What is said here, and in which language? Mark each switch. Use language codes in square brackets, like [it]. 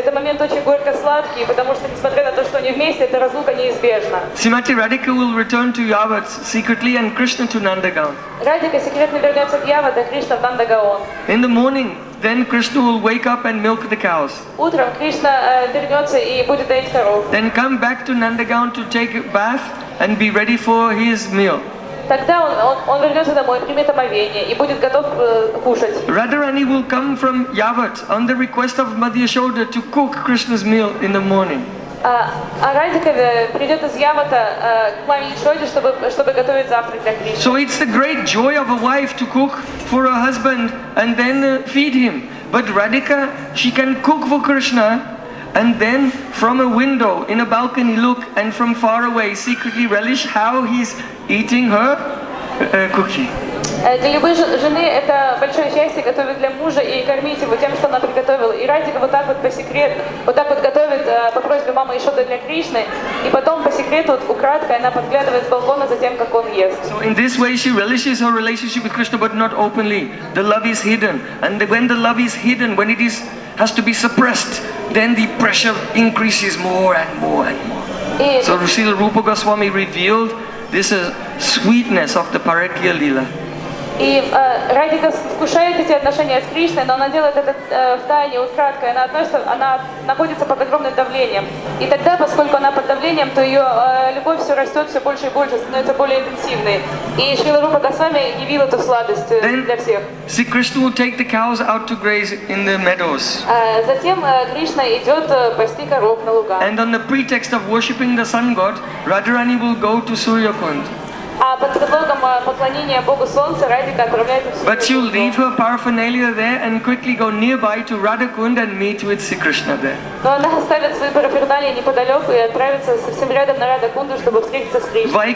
[ru] Это момент очень горько-сладкий, потому что, несмотря на то, что они вместе, эта разлука неизбежна. [en] Simati Radhika will return to Yavat secretly and Krishna to Nandagaon. [ru] Радхика секретно вернется в Yavat, а Кришна в Нандагаон. [en] In the morning, then Krishna will wake up and milk the cows. [ru] Утром Кришна вернется и будет доить коров. [en] Then come back to Nandagaon to take a bath and be ready for his meal. [ru] тогда он вернется домой, примет омовение и будет готов кушать. [en] Radharani will come from Yavat on the request of Madhyashoda to cook Krishna's meal in the morning. [ru] А Радика придет из Явата к маме Ешоде, чтобы готовить завтрак для Кришны. [en] So it's the great joy of a wife to cook for her husband and then feed him. But Radhika, she can cook for Krishna and then from a window in a balcony look and from far away secretly relish how he's eating her cookie. [ru] Для любой жены это большое счастье готовить для мужа и кормить его тем, что она приготовила. И Радика вот так вот по секрету, вот так вот готовит по просьбе мамы Ешоды для Кришны, и потом по секрету вот украдкой она подглядывает с балкона за тем, как он ест. [en] So in this way she relishes her relationship with Krishna, but not openly. The love is hidden, and when the love is hidden, when it is has to be suppressed, then the pressure increases more and more and more. So Srila Rupa Goswami revealed this sweetness of the Parikrama lila. [ru] И Радика вкушает эти отношения с Кришной, но она делает это втайне, украдкой. Она находится под огромным давлением. И тогда, поскольку она под давлением, то ее любовь все растет все больше и больше, становится более интенсивной. И Шрила Рупа Госвами явил эту сладость [en] Then, [ru] для всех. [en] See, Krishna will take the cows out to graze in the meadows. [ru] Затем Кришна идет пасти коров на лугах. [en] And on the pretext of worshipping the sun god, Radharani will go to Suryakund. [ru] А под предлогом поклонения Богу Солнца Радика отправляется в Сикришну. [en] But you leave her paraphernalia there and quickly go nearby to Radhakund and meet with Sikrishna there. [ru] Но она оставит свои параферналии неподалеку и отправится совсем рядом на Радхакунду, чтобы встретиться с Кришной.